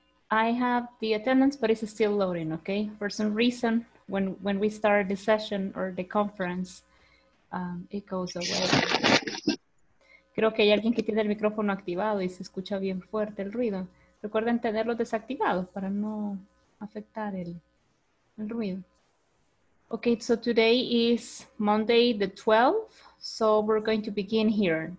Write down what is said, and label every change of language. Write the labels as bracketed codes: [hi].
[en] I have the attendance, but it's still loading, okay? For some reason, when we start the session or the conference, it goes away. [es] Creo que hay alguien que tiene el micrófono activado y se escucha bien fuerte el ruido. Recuerden tenerlo desactivado para no afectar el ruido. [en] Okay, so today is Monday the 12th, so we're going to begin here.